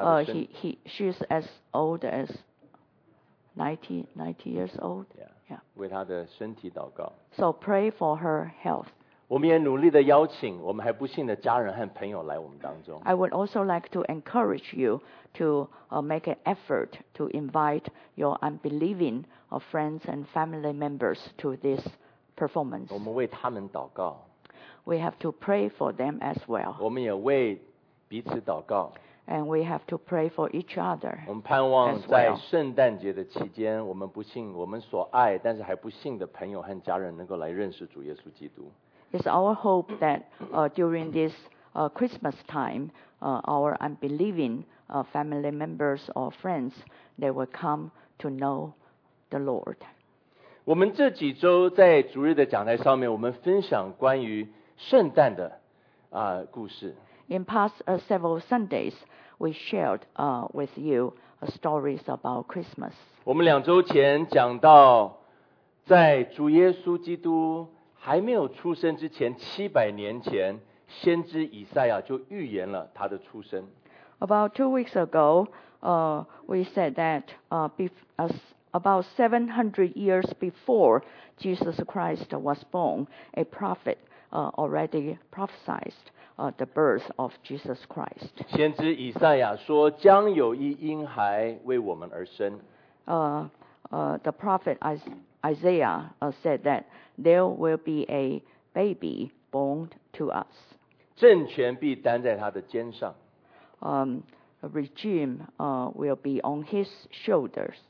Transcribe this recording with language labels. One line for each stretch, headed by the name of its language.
English: 的She's as old as 90 years old.
Chinese: Yeah. 为他的身体祷告。
English: So pray for her health.
Chinese: 我们也努力的邀请我们还不信的家人和朋友来我们当中。
English: I would also like to encourage you to make an effort to invite your unbelieving friends and family members to this performance.
Chinese: 我们为他们祷告。
English: We have to pray for them as well.
Chinese: 我们也为彼此祷告。
English: And we have to pray for each other.
Chinese: 我们盼望在圣诞节的期间，我们不信、我们所爱但是还不信的朋友和家人能够来认识主耶稣基督。
English: It's our hope that during this Christmas time, our unbelieving family members or friends, they will come to know the Lord.
Chinese: 我们这几周在主日的讲台上面，我们分享关于圣诞的故事。
English: In past several Sundays, we shared with you stories about Christmas.
Chinese: 我们两周前讲到，在主耶稣基督还没有出生之前，700年前，先知以赛亚就预言了他的出生。
English: About 2 weeks ago, we said that about 700 years before Jesus Christ was born, a prophet already prophesied the birth of Jesus Christ.
Chinese: 先知以赛亚说，将有一婴孩为我们而生。
English: The prophet Isaiah said that there will be a baby born to us.
Chinese: 政权必担在他的肩上。
English: Regime will be on his shoulders.